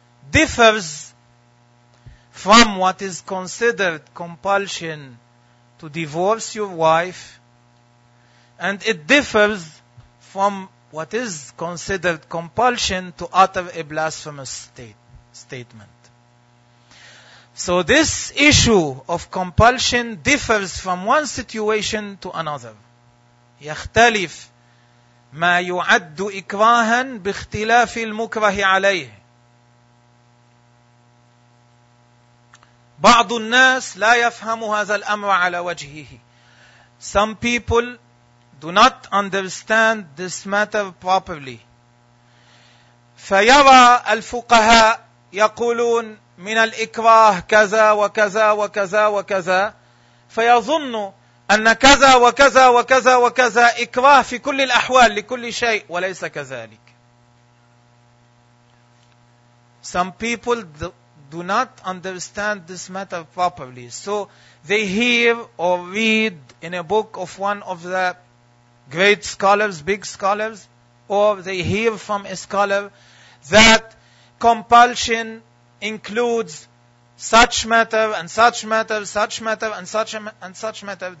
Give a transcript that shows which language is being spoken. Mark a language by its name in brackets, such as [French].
[English] differs from what is considered compulsion to divorce your wife, and it differs from what is considered compulsion to utter a blasphemous statement. So this issue of compulsion differs from one situation to another. [Arabic] يختلف ما يعد إكراها باختلاف المكره عليه. بعض الناس لا يفهم هذا الأمر على وجهه. [English] Some people do not understand this matter properly. [Arabic] فيرى الفقهاء يقولون من الإكراه كذا وكذا وكذا وكذا، فيظن أن كذا وكذا وكذا وكذا إكراه في كل الأحوال لكل شيء، وليس كذلك. [English] Some people do not understand this matter properly. So they hear or read in a book of one of the great scholars, big scholars, or they hear from a scholar that compulsion includes such matter and such matter, such matter and such and such matter.